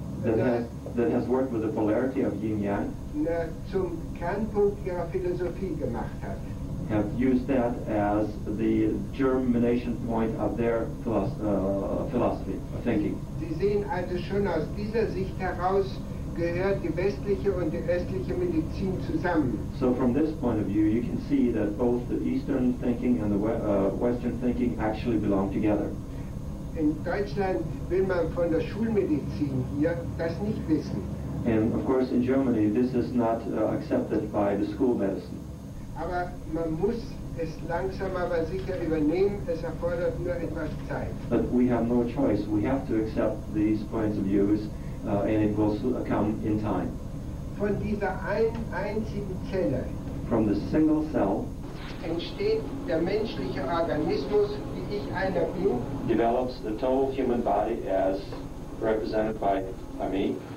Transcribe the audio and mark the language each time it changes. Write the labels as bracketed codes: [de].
[en] that has worked with the polarity of Yin Yang, [de] zum Kernpunkt ihrer Philosophie gemacht hat, [en] have used that as the germination point of their philosophy, of thinking. [de] Sie sehen also schon aus dieser Sicht heraus gehört die westliche und die östliche Medizin zusammen. [en] So from this point of view, you can see that both the Eastern thinking and the Western thinking actually belong together. [de] In Deutschland will man von der Schulmedizin hier das nicht wissen. [en] And of course in Germany, this is not accepted by the school medicine. [de] Aber man muss es langsam aber sicher übernehmen, es erfordert nur etwas Zeit. [en] But we have no choice. We have to accept these points of views, and it will come in time. [de] Von dieser einzigen Zelle, [en] from the single cell, [de] entsteht der menschliche Organismus, wie ich einer bin, [en] develops the total human body as represented by me,